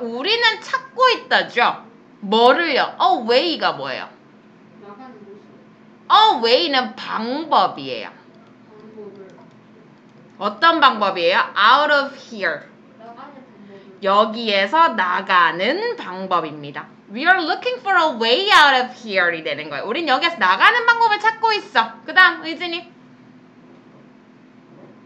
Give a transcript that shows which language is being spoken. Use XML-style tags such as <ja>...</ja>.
<ko>우리는 찾고 있다죠. 뭐를요? A way가 뭐예요? 나가는 곳. A way는 방법이에요. 방법을 어떤 방법이에요? Out of here. 여기에서 나가는 방법입니다.</ko> <en>We are looking for a way out of here 이 되는 거예요.</en> <ko>우린 여기에서 나가는 방법을 찾고 있어. 그 다음 의진이.</ko> <en>And the numbers fight again.</en>